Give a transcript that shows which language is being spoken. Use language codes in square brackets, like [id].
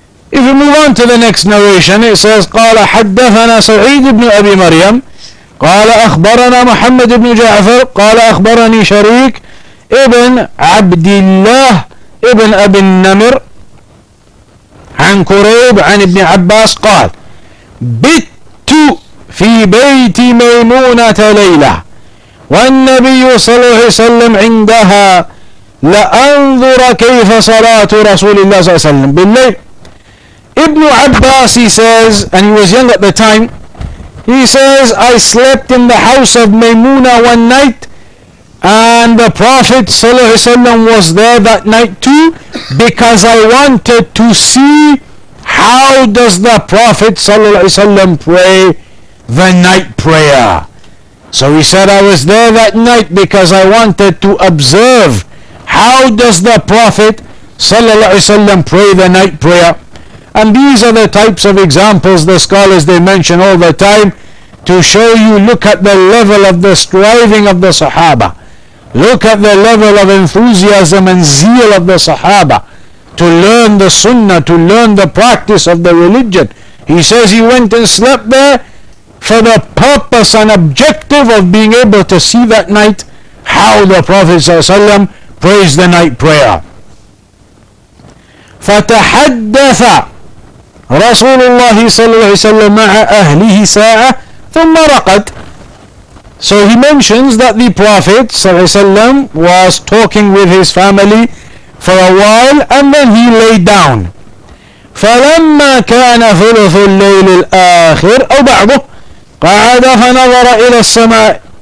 [en] If we move on to the next narration, it says, [ar] قال حدثنا سعيد بن أبي مريم قال أخبرنا محمد بن جعفر قال أخبرني شريك ابن عبد الله ابن أبي النمر عن كريب عن ابن عباس قال بت في بيت ميمونة ليلة والنبي صلى الله عليه وسلم عندها لأنظر كيف صلاة رسول الله صلى الله عليه وسلم بالليل. [en] Ibn Abbas, he says, and he was young at the time, he says, I slept in the house of Maymuna one night, and the Prophet ﷺ was there that night too, because I wanted to see how does the Prophet ﷺ pray the night prayer. So he said, I was there that night because I wanted to observe how does the Prophet ﷺ pray the night prayer. And these are the types of examples the scholars, they mention all the time to show you, look at the level of the striving of the Sahaba. Look at the level of enthusiasm and zeal of the Sahaba to learn the Sunnah, to learn the practice of the religion. He says he went and slept there for the purpose and objective of being able to see that night how the Prophet ﷺ prays the night prayer. [ar] فَتَحَدَّثَ رسول الله صلى الله عليه وسلم مع أهله ساعة ثم رقد. [en] So he mentions that the Prophet صلى الله عليه وسلم was talking with his family for a while and then he lay down. [ar] فلما كان ثلث الليل الآخر أو بعضه قعد فنظر إلى السماء.